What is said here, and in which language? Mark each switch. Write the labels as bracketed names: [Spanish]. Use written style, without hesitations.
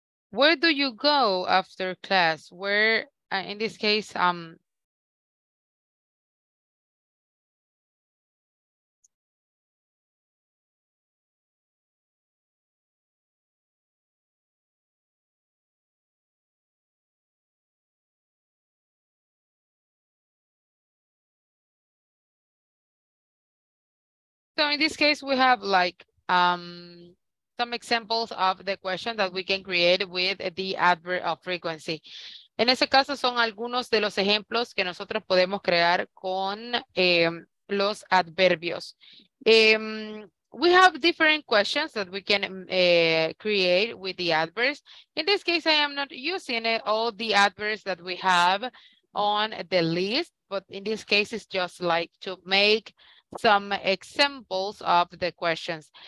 [English] Where do you go after class? Where, in this case, so in this case, we have like some examples of the question that we can create with the adverb of frequency. [Spanish] En ese caso, son algunos de los ejemplos que nosotros podemos crear con los adverbios. [English] We have different questions that we can create with the adverbs. In this case, I am not using all the adverbs that we have on the list, but in this case, it's just like to make some examples of the questions.